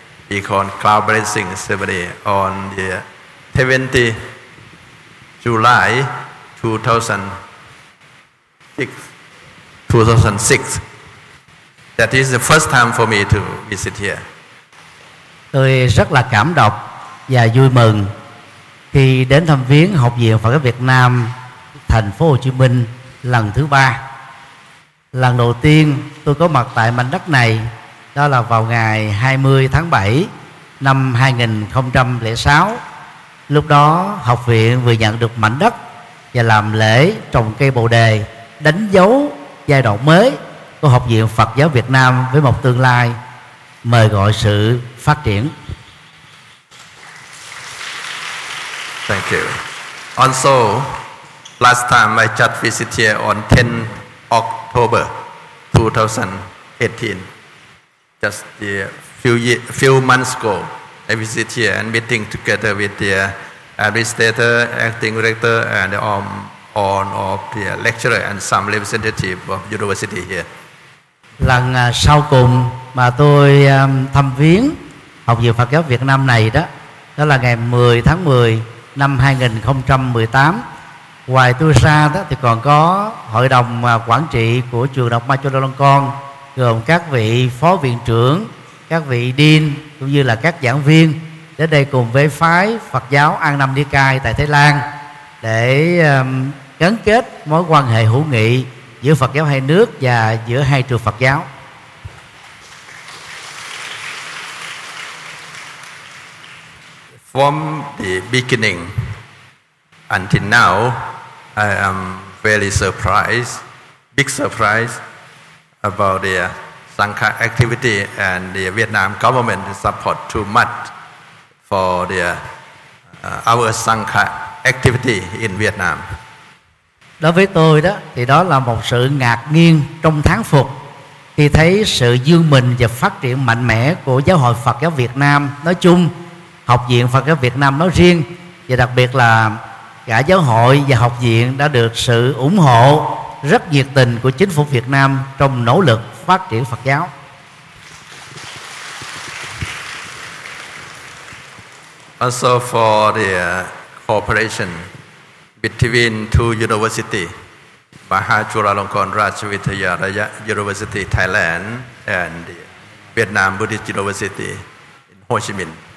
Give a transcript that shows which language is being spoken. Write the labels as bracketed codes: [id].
[en] We call Cloud Blessing Ceremony on the 20th July 2006. That is the first time for me to visit here. [vi] Tôi rất là cảm động và vui mừng khi đến thăm viếng Học viện Phật giáo Việt Nam, thành phố Hồ Chí Minh lần thứ ba. Lần đầu tiên tôi có mặt tại mảnh đất này, đó là vào ngày 20 tháng 7 năm 2006. Lúc đó Học viện vừa nhận được mảnh đất và làm lễ trồng cây bồ đề, đánh dấu giai đoạn mới của Học viện Phật giáo Việt Nam với một tương lai mời gọi sự phát triển. [en] Thank you. Also, last time I just visited here on 10 October 2018. Just a few months ago, I visited here and meeting together with the administrator, acting director, and all of the lecturer and some representative of university here. [vi] Lần sau cùng mà tôi thăm viếng Học viện Phật giáo Việt Nam này đó, đó là ngày 10 tháng 10 năm 2018. Ngoài tôi ra đó thì còn có hội đồng quản trị của trường Đại học Ma Chô Lô Long Con, gồm các vị phó viện trưởng, các vị dean cũng như là các giảng viên đến đây cùng với phái Phật giáo An Nam Nikai tại Thái Lan để gắn kết mối quan hệ hữu nghị giữa Phật giáo hai nước và giữa hai trường Phật giáo. [en] From the beginning until now, I am very surprised, big surprise about the Sangha activity and the Vietnam government support too much for the our Sangha activity in Vietnam. [vi] Đối với tôi đó thì đó là một sự ngạc nhiên trong thán phục khi thấy sự dương mình và phát triển mạnh mẽ của Giáo hội Phật giáo Việt Nam nói chung, Học viện Phật giáo Việt Nam nói riêng, và đặc biệt là cả giáo hội và học viện đã được sự ủng hộ rất nhiệt tình của chính phủ Việt Nam trong nỗ lực phát triển Phật giáo. [en] Also for the cooperation between two universities, Mahachulalongkorn Ratchavitayaraya University Thailand and Vietnam Buddhist University in Ho Chi Minh.